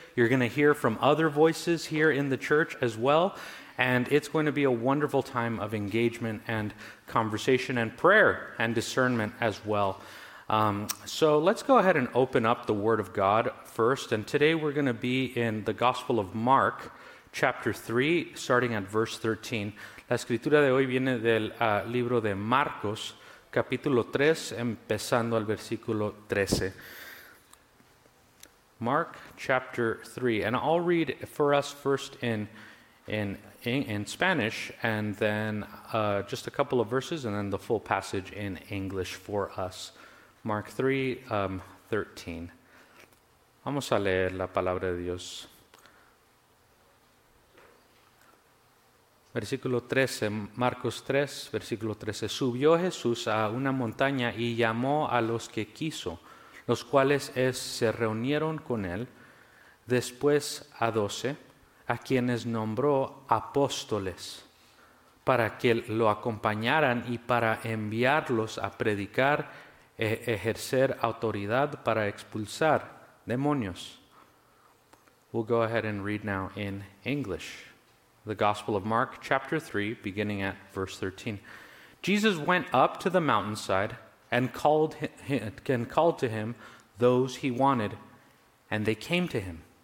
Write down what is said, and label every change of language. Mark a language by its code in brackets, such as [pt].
[en] You're going to hear from other voices here in the church as well, and it's going to be a wonderful time of engagement and conversation and prayer and discernment as well. So let's go ahead and open up the Word of God first, and today we're going to be in the Gospel of Mark, chapter 3, starting at verse 13. [es] La escritura de hoy viene del libro de Marcos, capítulo 3, empezando al versículo 13. [en] Mark chapter 3, and I'll read for us first in Spanish, and then just a couple of verses, and then the full passage in English for us. Mark 3, 13. [es] Vamos a leer la palabra de Dios. Versículo 13, Marcos 3, versículo 13. Subió Jesús a una montaña y llamó a los que quiso, los cuales se reunieron con él, después a 12, a quienes nombró apóstoles, para que lo acompañaran y para enviarlos a predicar e ejercer autoridad para expulsar demonios. [en] We'll go ahead and read now in English. The Gospel of Mark, chapter 3, beginning at verse 13. Jesus went up to the mountainside and called to him those he wanted, and they came to him.